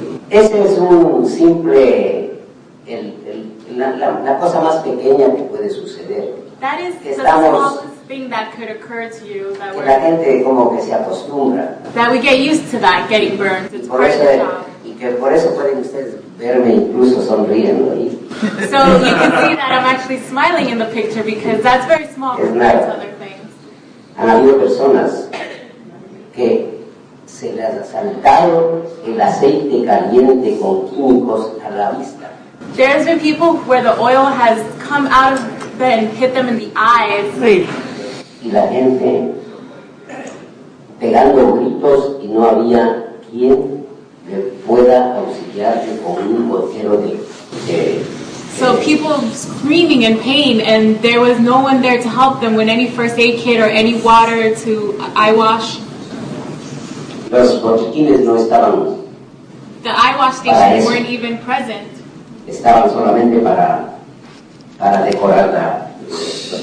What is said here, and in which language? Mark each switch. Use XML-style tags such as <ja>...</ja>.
<es>Ese es un simple. La cosa más pequeña que puede suceder.</es> <en>That is the smallest thing that could occur to you.</en> <es>Que la gente como que se acostumbra.</es> <en>That we get used to that, getting burned. It's part of the job.</en> <es>Y que por eso pueden ustedes verme incluso sonriendo ahí.</es> <en>So you can see that I'm actually smiling in the picture because that's very small compared to other things.</en> <es>Han habido personas que se les ha saltado el aceite caliente con químicos a la vista.</es> <en>There's been people where the oil has come out of them and hit them in the eyes.</en> <es>Y la gente pegando gritos y no había quien le pueda auxiliar con un botero de.</es> <en>So people screaming in pain and there was no one there to help them with any first aid kit or any water to eye wash.</en> <es>Los botiquines no estaban.</es> <en>The eye wash stations weren't even present.</en> <es>Estaban solamente para decorar la.</es>